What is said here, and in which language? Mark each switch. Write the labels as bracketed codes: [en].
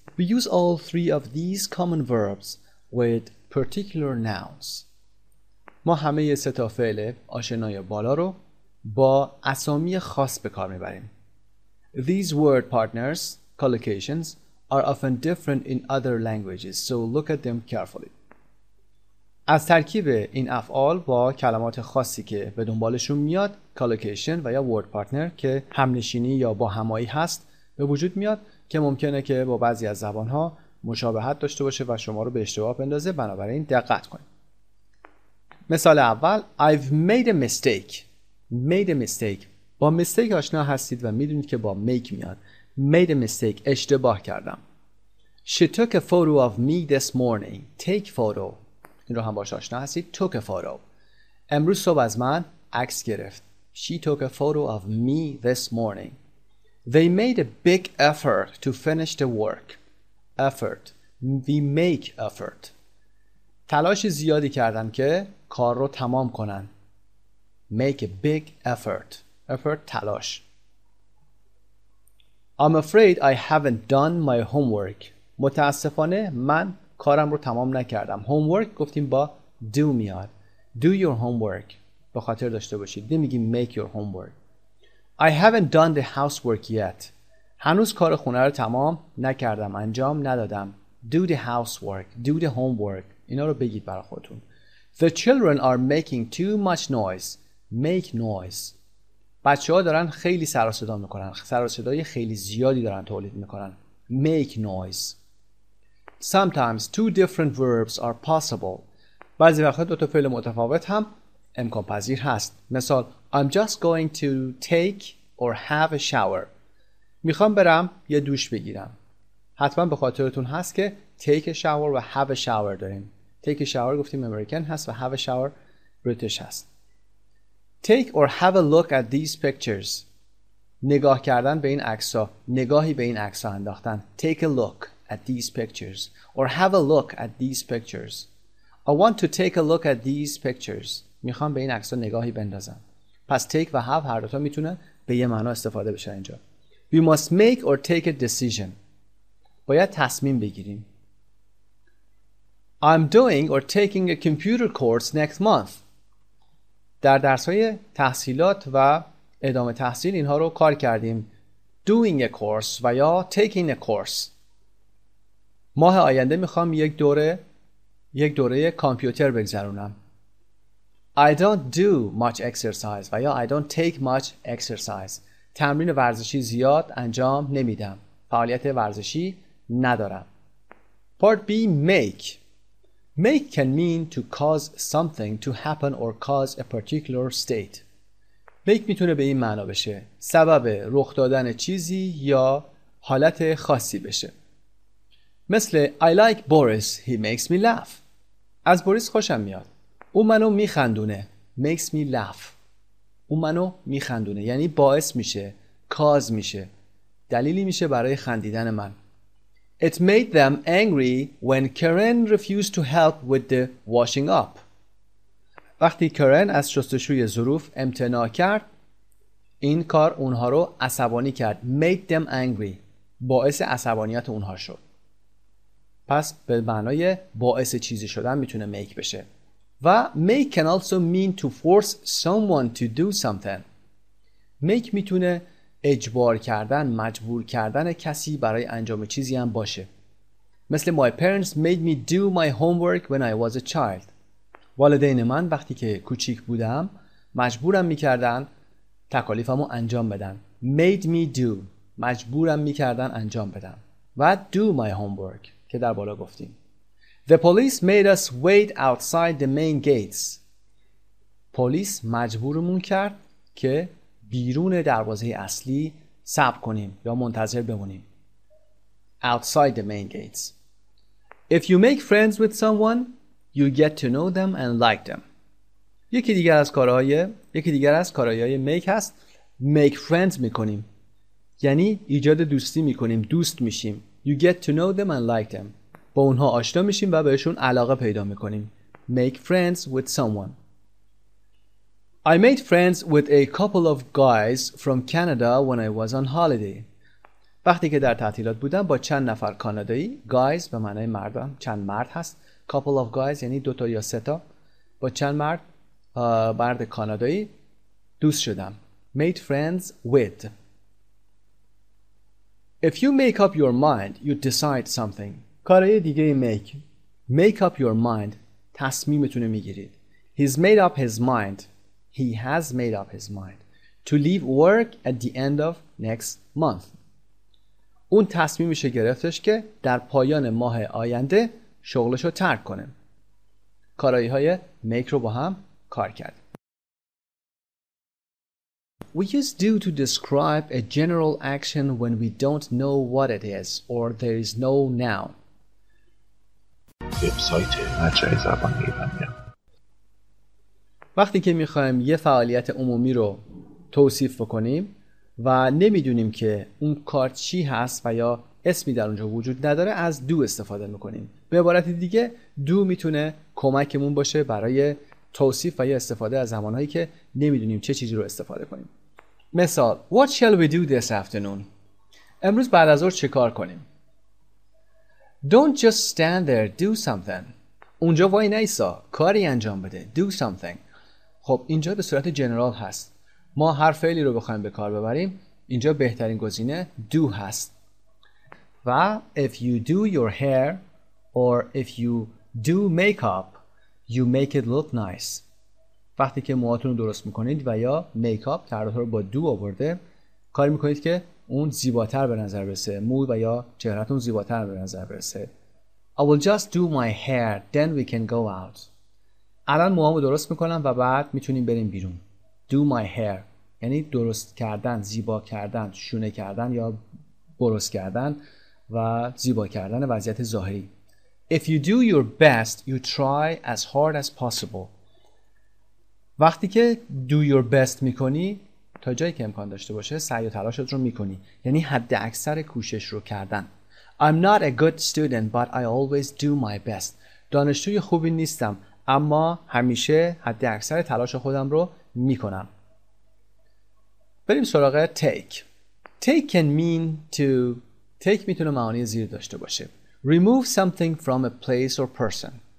[en] We use all three of these common verbs with particular nouns. [fa] ما همه سه تا فعل آشنای بالا رو با اسامی خاص به کار میبریم. [en] These word partners, collocations, are often different in other languages, so look at them carefully. [fa] از ترکیب این افعال با کلمات خاصی که به دنبالشون میاد [en] collocation [fa] و یا [en] word partner [fa] که همنشینی یا با همایی هست به وجود میاد که ممکنه که با بعضی از زبانها مشابهت داشته باشه و شما رو به اشتباه بندازه، بنابراین دقت کنید. مثال اول: [en] I've made a mistake. Made a mistake. [fa] با mistake آشنا هستید و میدونید که با make میاد. [en] Made a mistake. [fa] اشتباه کردم. [en] She took a photo of me this morning. Take photo. [fa] این رو هم باش آشنا هستید. [en] Took a photo. [fa] امروز صبح از من عکس گرفت. [en] She took a photo of me this morning. They made a big effort to finish the work. Effort. We make effort. [fa] تلاش زیادی کردن که کار رو تمام کنن. [en] Make a big effort. Effort. [fa] تلاش. [en] I'm afraid I haven't done my homework. [fa] متاسفانه من کارم رو تمام نکردم. Homework گفتیم با do میاد. [en] Do your homework. [fa] به خاطر داشته باشید. نمیگیم [en] make your homework. I haven't done the housework yet. [fa] هنوز کار خونه رو تمام نکردم. انجام ندادم. [en] Do the housework. Do the homework. [fa] اینا رو بگید برای خودتون. [en] The children are making too much noise. Make noise. [fa] بچه ها دارن خیلی سر و صدا میکنن. سر و صدای خیلی زیادی دارن تولید میکنن. [en] Make noise. Sometimes two different verbs are possible. [fa] بعضی وقتا دو تا فعل متفاوت هم امکان پذیر هست. مثال: [en] I'm just going to take or have a shower. [fa] میخوام برم یه دوش بگیرم. حتما به خاطرتون هست که [en] take a shower [fa] و [en] have a shower [fa] داریم. [en] Take a shower گفتیم American هست و have a shower British هست. Take or have a look at these pictures. [fa] نگاه کردن به این عکس ها. نگاهی به این عکس ها انداختن. [en] Take a look at these pictures. Or have a look at these pictures. I want to take a look at these pictures. [fa] میخوام به این عکس ها نگاهی بندازم. پس take و have هر دوتا میتونه به یه معنا استفاده بشه اینجا. [en] We must make or take a decision. [fa] باید تصمیم بگیریم. [en] I'm doing or taking a computer course next month. [fa] در درس‌های تحصیلات و ادامه تحصیل اینها رو کار کردیم. [en] Doing a course و یا taking a course. [fa] ماه آینده میخوام یک دوره کامپیوتر بگذرونم. [en] I don't do much exercise و یا I don't take much exercise. [fa] تمرین ورزشی زیاد انجام نمیدم. فعالیت ورزشی ندارم. [en] Part B: Make. Make can mean to cause something to happen or cause a particular state. [fa] Make میتونه به این معنا بشه. سبب رخ دادن چیزی یا حالت خاصی بشه. مثل: [en] I like Boris. He makes me laugh. [fa] از بوریس خوشم میاد. او منو میخندونه. [en] Makes me laugh. [fa] او منو میخندونه. یعنی باعث میشه. Cause میشه. دلیلی میشه برای خندیدن من. [en] It made them angry when Karen refused to help with the washing up. [fa] وقتی کرن از شستشوی ظروف امتناع کرد، این کار اونها رو عصبانی کرد. [en] Made them angry. [fa] باعث عصبانیت اونها شد. پس به معنای باعث چیزی شدن میتونه make بشه. [en] و make can also mean to force someone to do something. [fa] Make میتونه اجبار کردن، مجبور کردن کسی برای انجام چیزی هم باشه. مثل: [en] My parents made me do my homework when I was a child. [fa] والدین من وقتی که کوچیک بودم مجبورم میکردن تکالیفمو انجام بدن. [en] Made me do. [fa] مجبورم میکردن انجام بدم. و [en] do my homework [fa] که در بالا گفتیم. [en] The police made us wait outside the main gates. [fa] پلیس مجبورمون کرد که بیرون دروازه اصلی صبر کنیم یا منتظر بمونیم. [en] Outside the main gates. If you make friends with someone, you get to know them and like them. [fa] یکی دیگر از کارهای make هست. [en] Make friends [fa] میکنیم. یعنی ایجاد دوستی میکنیم. دوست میشیم. [en] You get to know them and like them. [fa] با اونها آشنا میشیم و بهشون علاقه پیدا میکنیم. [en] Make friends with someone. I made friends with a couple of guys from Canada when I was on holiday. [fa] وقتی که در تعطیلات بودم با چند نفر کانادایی، guys به معنی مردان، چند مرد هست. Couple of guys یعنی دوتا یا سه تا، با چند مرد، مرد کانادایی دوست شدم. [en] Made friends with. If you make up your mind, you decide something. [fa] کارای دیگه make. [en] Make up your mind. [fa] تصمیمتونو میگیرید. [en] He's made up his mind. He has made up his mind to leave work at the end of next month. [fa] اون تصمیمش گرفتش که در پایان ماه آینده شغلش رو ترک کنه. کارایی های make رو با هم کار کرد. [en] We use do to describe a general action when we don't know what it is or there is no noun. [fa] وبسایت بچه‌های زبان ایرانی. وقتی که میخوایم یه فعالیت عمومی رو توصیف بکنیم و نمیدونیم که اون کار چی هست و یا اسمی در اونجا وجود نداره، از دو استفاده میکنیم. به عبارت دیگه دو میتونه کمکمون باشه برای توصیف و یا استفاده از زمانهایی که نمیدونیم چه چیزی رو استفاده کنیم. مثال: [en] What shall we do this afternoon? [fa] امروز بعد از ظهر چه کار کنیم؟ [en] Don't just stand there, do something. [fa] اونجا وای نیسا، کاری انجام بده. [en] Do something. [fa] خب اینجا به صورت جنرال هست. ما هر فعلی رو بخوایم به کار ببریم، اینجا بهترین گزینه do هست. و [en] if you do your hair or if you do makeup, you make it look nice. [fa] وقتی که موهاتون رو درست میکنید و یا میکاپ تراتون رو با do آورده، کاری میکنید که اون زیباتر به نظر برسه، مو و یا چهرهتون زیباتر به نظر برسه. [en] I will just do my hair, then we can go out. [fa] الان موهامو درست میکنم و بعد میتونیم بریم بیرون. [en] Do my hair [fa] یعنی درست کردن، زیبا کردن، شونه کردن یا برس کردن و زیبا کردن وضعیت ظاهری. [en] If you do your best, you try as hard as possible. [fa] وقتی که [en] do your best [fa] میکنی، تا جایی که امکان داشته باشه سعی و تلاشت رو میکنی، یعنی حد اکثر کوشش رو کردن. [en] I'm not a good student, but I always do my best. [fa] دانشجوی خوبی نیستم، اما همیشه حد اکثر تلاش خودم رو میکنم. بریم سراغ take. [en] Take can mean to. [fa] Take میتونه معانی زیر داشته باشه. [en] Remove something from a place or person.